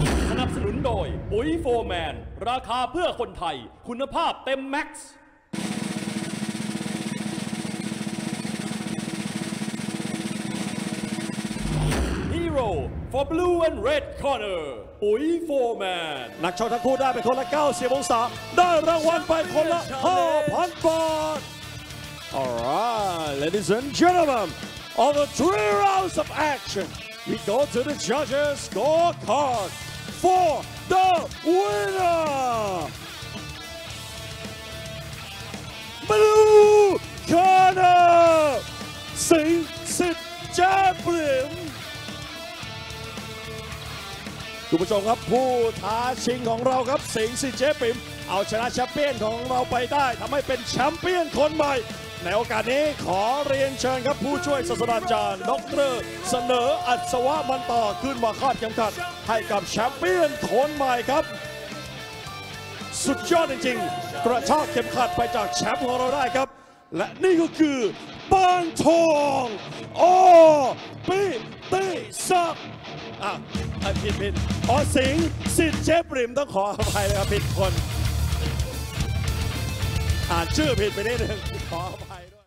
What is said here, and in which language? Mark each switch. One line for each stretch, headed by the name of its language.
Thai: สนับสนุนโดยปุ๋ยโฟร์แมนราคาเพื่อคนไทยคุณภาพเต็มแม็กซ์
English: Hero for Blue and Red Corner
Thai: ปุ๋ยโฟร์แมน นักชกทั้งคู่ได้ไปคนละ90องศาได้รางวัลไปคนละ 5,000 บาท
English: All right, ladies and gentlemen, on the three rounds of action, we go to the judges' scorecard for the winner, Blue Corner, Sinsit Jablin.
Thai: คุณผู้ชมครับผู้ท้าชิงของเราครับ Sinsit Jablin เอาชนะแชมเปี้ยนของเราไปได้ทำให้เป็นแชมเปี้ยนคนใหม่ในโอกาสนี้ขอเรียนเชิญครับผู้ช่วยศาสตราจารย์ดร. เสนออัศวะมันต่อขึ้นมาคาดเข็มขัดให้กับแชมเปี้ยนคนใหม่ครับสุดยอดจริงๆกระชากเข็มขัดไปจากแชมป์ของเราได้ครับและนี่ก็คือปานทองอปิติศักดิ์อ่ะผิดอสิงสิทธิ์เจฟริมต้องขออภัยนะครับผิดคนอ่านชื่อผิดไปนิดนึงขออภัยด้วย